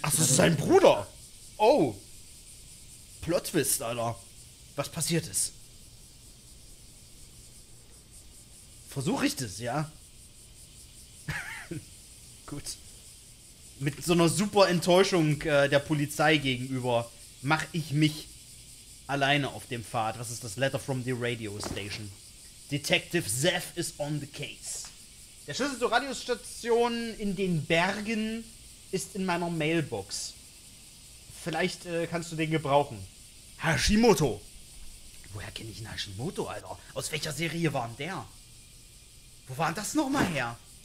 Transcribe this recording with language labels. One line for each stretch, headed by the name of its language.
German: Ach, das ist sein Bruder. Oh. Plot Twist, Alter. Was passiert ist? Versuche ich das, ja? Gut. Mit so einer super Enttäuschung der Polizei gegenüber mache ich mich alleine auf dem Pfad. Was ist das?
English: Letter from the Radio Station. Detective Zeph is on the case.
German: Der Schlüssel zur Radiostation in den Bergen ist in meiner Mailbox. Vielleicht kannst du den gebrauchen. Hashimoto! Woher kenne ich einen Hashimoto, Alter? Aus welcher Serie war denn der? Wo war denn das nochmal her?